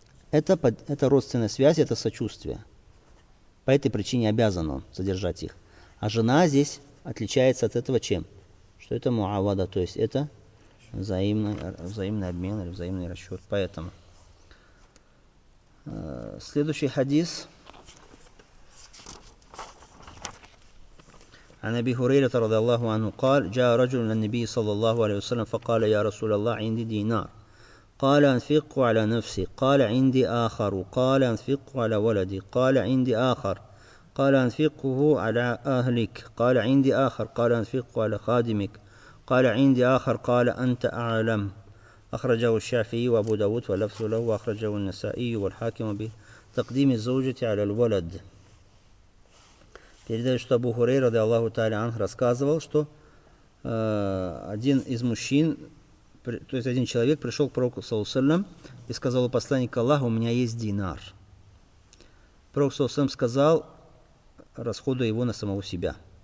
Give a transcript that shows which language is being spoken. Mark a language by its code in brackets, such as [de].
[ru] Это родственная связь, это сочувствие. По этой причине обязан он содержать их. А жена здесь отличается от этого чем? Что это муавада, то есть это взаимный обмен или взаимный расчет. Поэтому следующий хадис. [ar] عن أبي هريرة رضي الله عنه قال جاء رجل إلى النبي صلى الله عليه وسلم فقال يا رسول الله عندي دينار قال أنفق على نفسي قال عندي آخر قال أنفق على ولدي قال عندي آخر قال أنفقه على أهلك قال عندي آخر قال أنفق على خادمك قال عندي آخر قال أنت أعلم أخرجه الشافعي وأبو داود واللفظ له وأخرجه النسائي والحاكم بتقديم الزوجة على الولد. [ru] Передает, что Абу Хурейра, ради Аллаху Тааля анх, рассказывал, что один из мужчин, то есть один человек, пришел к пророку саллаллаху алейхи ва саллям и сказал у посланника Аллаха, у меня есть динар. Пророк саллаллаху алейхи ва саллям сказал, расходуй его на самого себя.